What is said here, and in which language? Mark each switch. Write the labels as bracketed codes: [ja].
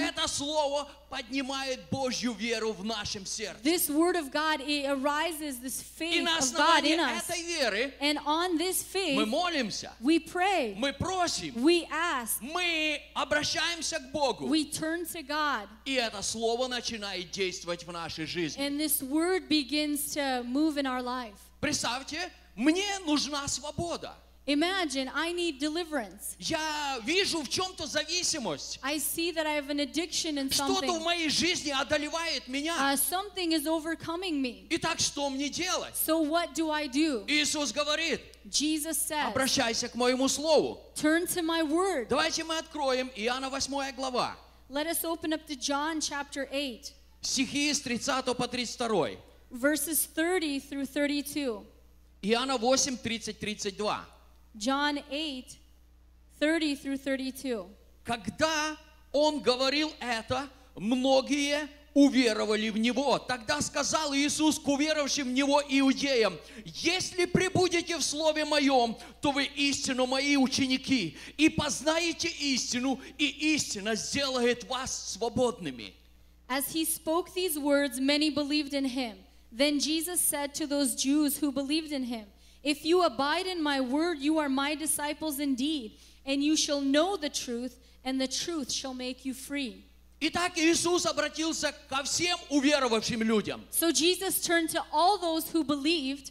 [ru] это Слово поднимает Божью веру в нашем сердце. [en] This word of God, it arises this faith of God in us. And on this faith, [ru] мы молимся, [en] we pray, [ru] мы просим, [en] we ask, [ru] мы обращаемся к Богу, [en] we turn to God. [ru] И это Слово начинает действовать в нашей жизни. [en] And this word begins to move in our life. [ru] Представьте, мне нужна свобода. [en] Imagine, I need deliverance. [ru] Я вижу в чем-то зависимость. [en] I see that I have an addiction in something. [ru] Что-то в моей жизни одолевает меня. [en] Something is overcoming me. [ru] Итак, что мне делать? [en] So what do I do? [ru] Иисус говорит. [en] Jesus says. [ru] Обращайся к моему слову. [en] Turn to my word. [ru] Давайте мы откроем Иоанна 8 глава. [en] Let us open up to John chapter 8. [ru] Стихи с 30 по 32. [en] Verses 30 through 32. [ru] Иоанна 8, 30-32. [en] John 8, 30 through 32. [ru] Когда он говорил это, многие уверовали в него. Тогда сказал Иисус к уверовавшим в него иудеям, «Если пребудете в Слове Моем, то вы истинно Мои ученики, и познаете истину, и истина сделает вас свободными». [en] As he spoke these words, many believed in him. Then Jesus said to those Jews who believed in him, If you abide in my word, you are my disciples indeed, and you shall know the truth, and the truth shall make you free. [ru] Итак, Иисус обратился ко всем уверовавшим людям. [en] So Jesus turned to all those who believed.